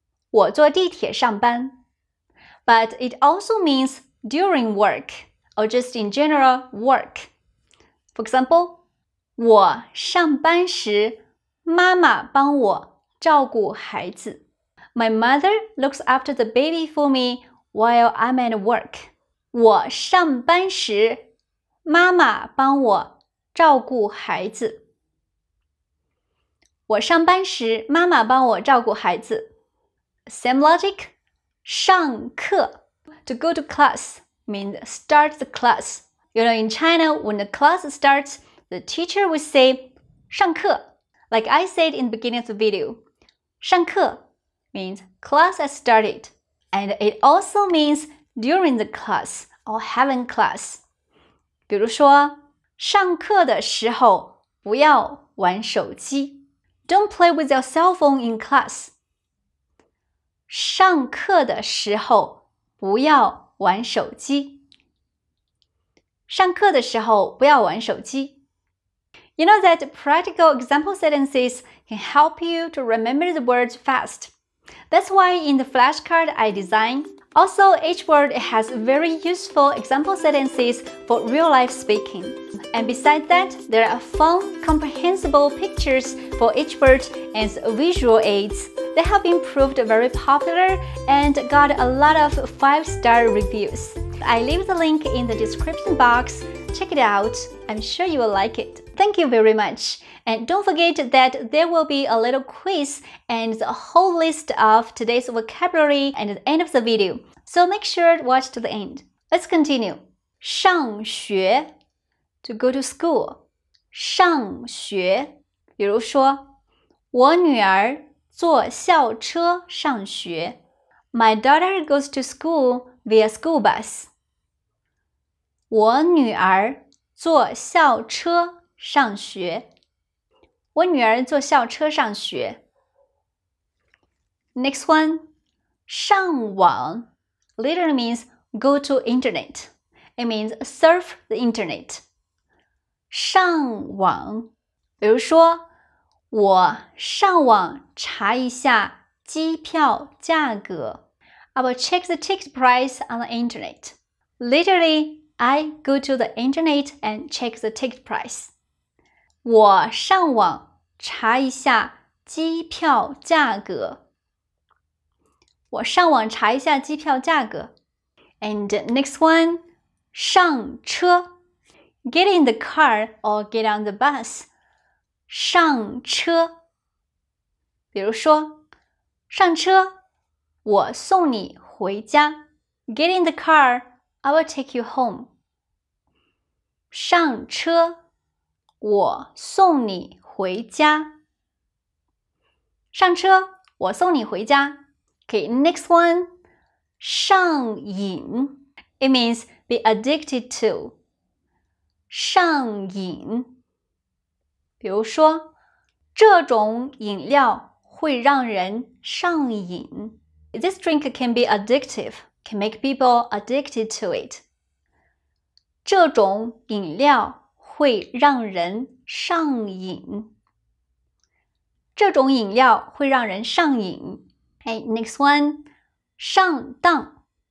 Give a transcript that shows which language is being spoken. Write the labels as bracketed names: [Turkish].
[Chinese] 我坐地铁上班. [English] But it also means during work, or just in general, work. For example, [Chinese] 我上班时妈妈帮我照顾孩子。 [English] My mother looks after the baby for me while I'm at work. [Chinese] 我上班时妈妈帮我照顾孩子。我上班时妈妈帮我照顾孩子。 [English] Same logic, 上课。 To go to class means start the class. You know, in China, when the class starts, the teacher will say, 上课。 Like I said in the beginning of the video, 上课 means class has started, and it also means during the class or having class. [Chinese] 比如说，上课的时候不要玩手机。 [English] Don't play with your cell phone in class. [Chinese] 上课的时候不要玩手机。上课的时候不要玩手机。 [English] You know that practical example sentences can help you to remember the words fast. That's why in the flashcard I designed, also each word has very useful example sentences for real-life speaking. And besides that, there are fun, comprehensible pictures for each word and visual aids. They have been proved very popular and got a lot of 5-star reviews. I leave the link in the description box. Check it out. I'm sure you will like it. Thank you very much. And don't forget that there will be a little quiz and the whole list of today's vocabulary at the end of the video. So make sure to watch to the end. Let's continue. 上学 to go to school. [Chinese] 上学比如说我女儿坐校车上学。 [English] My daughter goes to school via school bus. [Chinese] 我女儿坐校车上学。我女儿坐校车上学。 [English] Next one, 上网 literally means go to internet. It means surf the internet. [Chinese] 上网，比如说我上网查一下机票价格。 [English] I will check the ticket price on the internet. Literally, I go to the internet and check the ticket price. [Chinese] 我上网查一下机票价格。我上网查一下机票价格。 [English] And next one, 上车。 Get in the car or get on the bus. [Chinese] 上车。比如说，上车。我送你回家。 [English] Get in the car, I will take you home. [Chinese] 上车，我送你回家。上车，我送你回家。 [English] Okay, next one, [Chinese] 上瘾。 [English] It means be addicted to. 上瘾。 [Chinese] 比如说，这种饮料会让人上瘾。 [English] This drink can be addictive, can make people addicted to it. [Chinese] 这种饮料会让人上瘾。这种饮料会让人上瘾。 [English] Hey, next one, [Chinese] 上当。